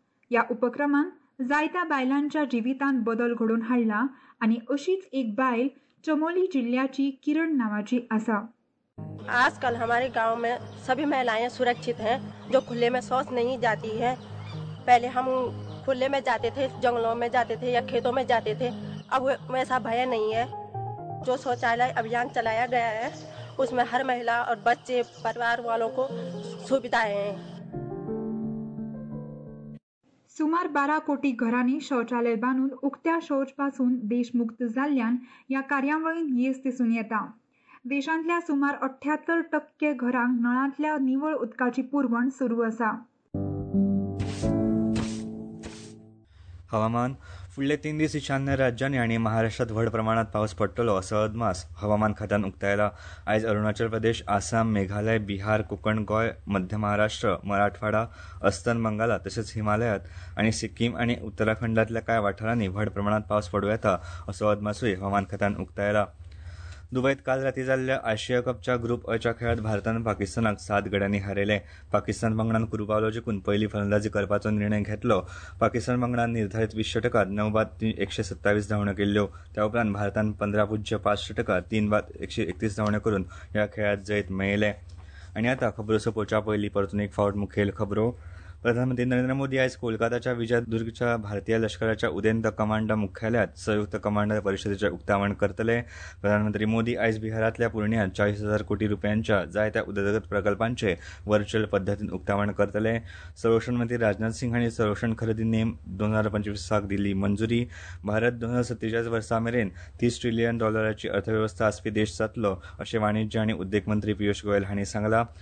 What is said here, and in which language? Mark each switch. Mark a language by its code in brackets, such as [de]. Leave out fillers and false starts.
[gom] ह्या उपक्रमान जायत्या बायलांच्या जिवितांत बदल घडून हाडला आनी अशीच एक बायल चमोली जिल्ह्याची किरण नावाची आसा. [hi] आजकाल हमारे गाव में सभी महिलाएं सुरक्षित हैं, जो खुले में शौच नहीं जाती है. पहले हम खुले में जाते थे, जंगलों में जाते थे या खेतों में जाते थे, अब वैसा भय नहीं है. जो शौचालय अभियान चलाया गया है उसमें हर महिला और बच्चे परिवार वालों को सुविधा है. [gom] सुमार 12 कोटी घरांनी शौचालय बांधून उक्त्या शौच पासून देश मुक्त झाल्यान या कार्यावळीन येस दिसून येता. देशांतल्या सुमार 78% घरांक नळांतल्या निवळ उदकाची पुरवण सुरू आसा. हवामान. फुडले 3 दीस ईशान्य राज्यांनी आनी महाराष्ट्रात व्हड प्रमाणात पावस पडटलो असो अदमास हवामान खात्यान उक्तायला. आयज अरुणाचल प्रदेश, आसाम, मेघालय, बिहार, कोकण, गोंय, मध्य महाराष्ट्र, मराठवाडा, अस्तन बंगाला तशेंच हिमालयात आनी सिक्कीम आनी उत्तराखंडातल्या कांय वाठारांनी व्हड प्रमाणात पावस पडूं येता असो अदमासूय हवामान खात्यान उक्तायला. दुबईत काल राती जाल्ल्या आशिया कपच्या ग्रुप अच्या खेळात भारतान पाकिस्तानाक 7 गड्यांनी हारयले. पाकिस्तान वांगडान कुरू पावलो जिखून पहिली फलंदाजी करपाचो निर्णय घेतलो. पाकिस्तान वांगडान निर्धारित 20 टकांत 9 बाद 127 धांवड्यो केल्ल्यो. त्या उपरांत भारतान 15.5 टकांत 3 बाद 131 धांवड्यो करून ह्या खेळात जैत मेळयले. आनी आतां खबरो सोंपोवच्या पयली परतून एक फावट मुखेल खबरो. प्रधानमंत्री नरेंद्र मोदी आयज कोलकाताच्या विजयदुर्गच्या भारतीय लष्कराच्या उदेंत कमांड मुख्यालयात संयुक्त कमांडर परिषदेचे उक्तावण करतले. प्रधानमंत्री मोदी आयज बिहारातल्या पूर्णियात 40,000 कोटी रुपयांच्या जायत्या उदरगत प्रकल्पांचे व्हर्च्युअल पद्दतीन उक्तावण करतले. संरक्षण मंत्री राजनाथ सिंह हांणी संरक्षण खरेदी नेम 2025 दिल्ली मंजुरी. भारत 2047 वर्सां मेरेन $30 trillion अर्थवेवस्था आसपी देश जातलो अशें वाणिज्य आनी उद्देग मंत्री पियुश गोयल हांणी सांगला.